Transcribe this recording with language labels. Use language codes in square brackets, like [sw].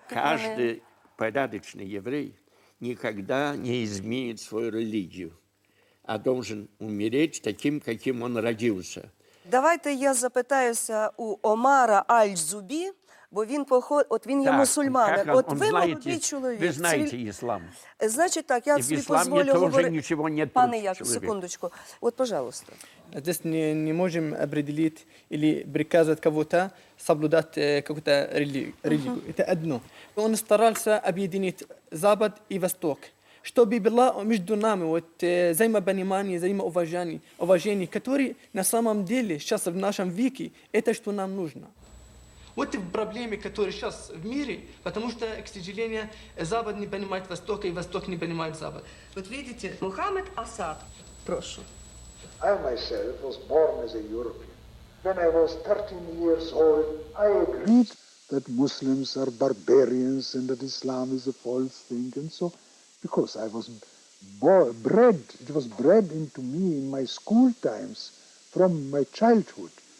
[uk] Кожен порядочний єврей ніколи не змінить свою релігію, [ru] а должен умереть [uk] таким, яким він родився. Давайте я запитаюся у Омара Аль-Зубі, бо він походить, от він є мусульманин. От ви молодий чоловік. Ви знаєте іслам. Значить так, я собі позволю говорити. В ісламі теж нічого не тут, пане Як, секундочку. От, пожалуйста. [ru] Здесь не можем определить или приказать кого-то соблюдать какую-то религию. Это одно. Он старался объединить Запад и Восток, чтобы было между нами вот взаимопонимание, взаимоуважение, которое на самом деле сейчас в нашем веке это что нам нужно. Вот и проблемы, которые сейчас в мире, потому что, к сожалению, Запад не понимает Востока и Восток не понимает Запад. Вот видите, Мухаммед Асад, прошу. [en] I myself was born as a European. When I was 13 years old, I agreed that Muslims are barbarians and that Islam is a false thing. And so, because I was bred into me in my school times from my childhood.